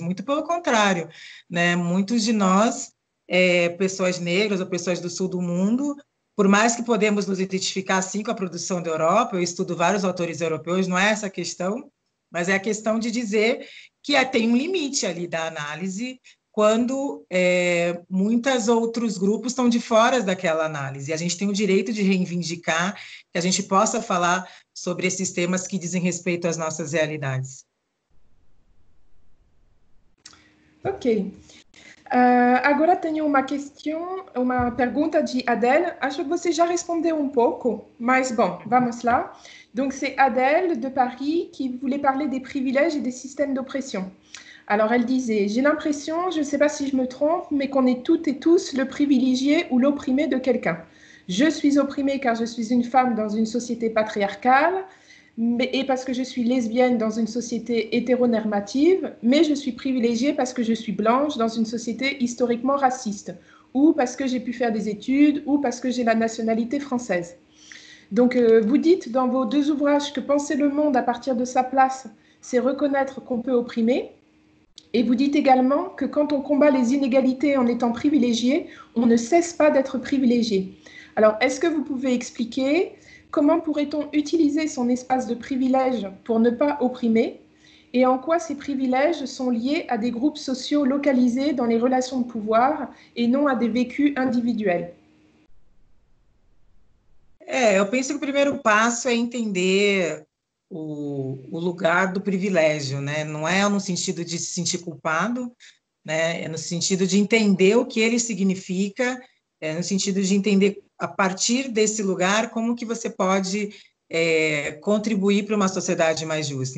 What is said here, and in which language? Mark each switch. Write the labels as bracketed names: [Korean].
[Portuguese] Muito pelo contrário, né? Muitos de nós, pessoas negras ou pessoas do sul do mundo, por mais que podemos nos identificar assim com a produção da Europa, eu estudo vários autores europeus, não é essa questão, mas é a questão de dizer que tem um limite ali da análise quando muitos outros grupos estão de fora daquela análise. E a gente tem o direito de reivindicar que a gente possa falar sobre esses temas que dizem respeito às nossas realidades. Ok. Agora tenho uma pergunta de Adele. Acho que você já respondeu um pouco, mas bom, vamos lá. [French] Donc, c'est Adele de Paris qui voulait parler des privilèges et des systèmes d'oppression. Alors, elle disait, j'ai l'impression, je ne sais pas si je me trompe, mais qu'on est toutes et tous le privilégié ou l'opprimé de quelqu'un. Je suis opprimée car je suis une femme dans une société patriarcale, et parce que je suis lesbienne dans une société hétéronormative, mais je suis privilégiée parce que je suis blanche dans une société historiquement raciste, ou parce que j'ai pu faire des études, ou parce que j'ai la nationalité française. Donc, vous dites dans vos deux ouvrages que penser le monde à partir de sa place, c'est reconnaître qu'on peut opprimer. Et vous dites également que quand on combat les inégalités en étant privilégié, on ne cesse pas d'être privilégié. Alors, est-ce que vous pouvez expliquer comment pourrait-on utiliser son espace de privilège pour ne pas opprimer et en quoi ces privilèges sont liés à des groupes sociaux localisés dans les relations de pouvoir et non à des vécus individuels? [Portuguese] Eu penso que o primeiro passo é entender o lugar do privilégio, né? Não é no sentido de se sentir culpado, né? É no sentido de entender o que ele significa, é no sentido de entender a partir desse lugar como que você pode contribuir para uma sociedade mais justa.